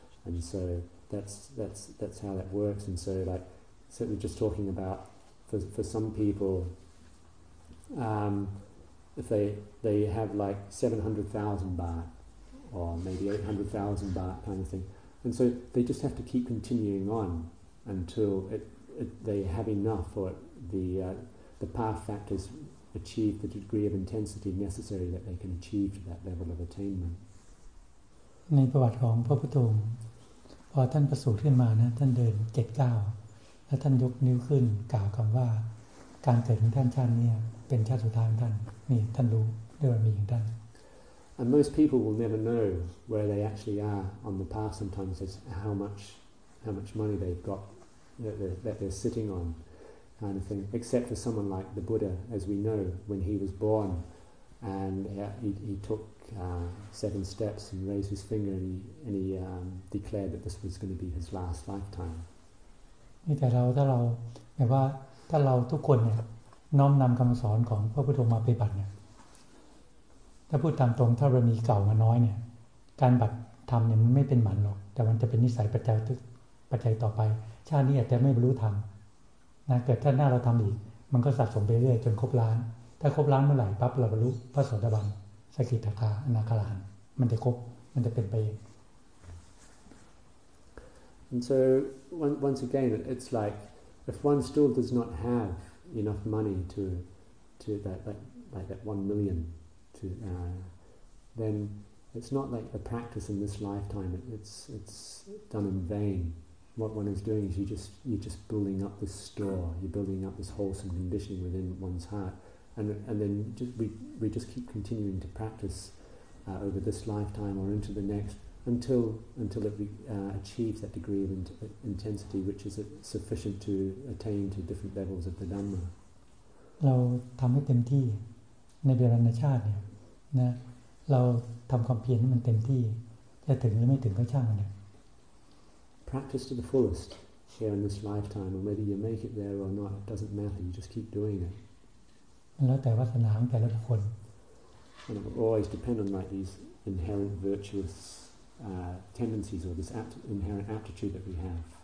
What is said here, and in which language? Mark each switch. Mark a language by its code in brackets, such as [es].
[en] And so that's how that works. And so, like, certainly just talking about for some people, if they have like 700,000 baht or maybe 800,000 baht kind of thing, and so they just have to keep continuing on until they have enough, or the path factors achieve the degree of intensity necessary that they can achieve that level of attainment. [th] ในประวัติของพระพุทธองค์พอท่านประสูติขึ้นมานะท่านเดิน7 ก้าวแล้วท่านยกนิ้วขึ้นกล่าวคำว่าการเกิดของท่านชาตินี้เป็นชาติสุดท้ายของท่านนี่ท่านรู้ด้วยว่ามีอย่างท่าน [en] And most people will never know where they actually are on the path sometimes as how much money they've got that they're sitting on kind of thing except for someone like the Buddha as we know when he was born and he took seven steps and raised his finger and he declared that this was going to be his last lifetime. [th] นี่แต่เราถ้าเราแบบว่าถ้าเราทุกคนเนี่ยน้อมนำคำสอนของพระพุทธองค์มาปฏิบัติเนี่ยถ้าพูดตามตรงถ้าเรามีเก่ามาน้อยเนี่ยการบัตรทำเนี่ยมันไม่เป็นหมันหรอกแต่มันจะเป็นนิสัยปัจจัยต่อไปชาตินี้อาจจะไม่บรรลุธรรมนะเกิดถ้าหน้าเราทำอีกมันก็สะสมไปเรื่อยจนครบล้านถ้าครบล้านเมื่อไหร่ปั๊บเราบรรลุพระโสดาบันสกิทาคาอนาคาลานมันจะครบมันจะเป็นไปเอง [en] And so once again it's like if one still does not have enough money to that like that 1,000,000 to then it's not like the practice in this lifetime it's done in vain what one is doing is you're just building up this store you're building up this wholesome condition within one's heartand then we just keep continuing to practice over this lifetime or into the next until it achieves that degree of intensity which is sufficient to attain to different levels of the Dhamma [th] เราทำให้เต็มที่ในเวรณชาติเนี่ยนะเราทำความเพียรให้มันเต็มที่จะถึงหรือไม่ถึงก็ช่างมันเนี่ย [en] practice to the fullest here in this lifetime or whether you make it there or not it doesn't matter you just keep doing it [th] แล้วแต่วาสนาของแต่ละคน [en] And it will always depend on like these inherent virtuous tendencies or this inherent aptitude that we have.